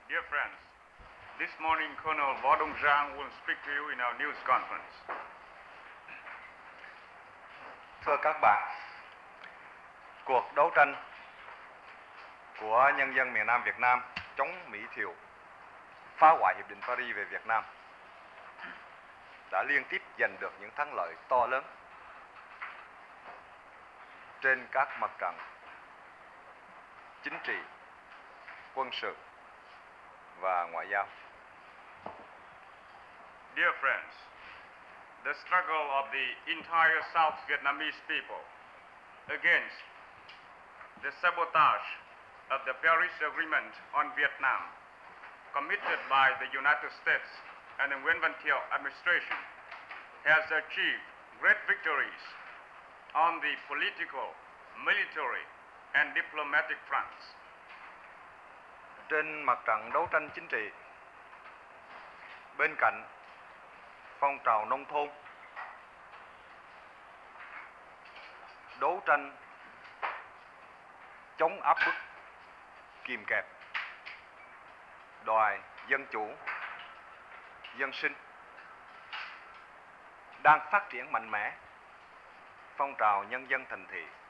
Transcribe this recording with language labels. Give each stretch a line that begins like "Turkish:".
English: friends, this morning Colonel Bo Dong Zhang will speak to you in our news conference.
Vietnamese: Thưa các bạn, cuộc đấu tranh của nhân dân miền Nam Việt Nam chống Mỹ Thiệu phá hoại Hiệp định Paris về Việt Nam đã liên tiếp giành được những thắng lợi to lớn trên các mặt trận chính trị, quân sự và ngoại giao.
English: Dear friends, the struggle of the entire South Vietnamese people against the sabotage of the Paris Agreement on Vietnam committed by the United States and the Nguyen Van Thieu administration has achieved great victories on the political, military and diplomatic fronts.
Vietnamese: Trên mặt trận đấu tranh chính trị, bên cạnh phong trào nông thôn, đấu tranh chống áp bức, kìm kẹp, đòi dân chủ, dân sinh, đang phát triển mạnh mẽ phong trào nhân dân thành thị,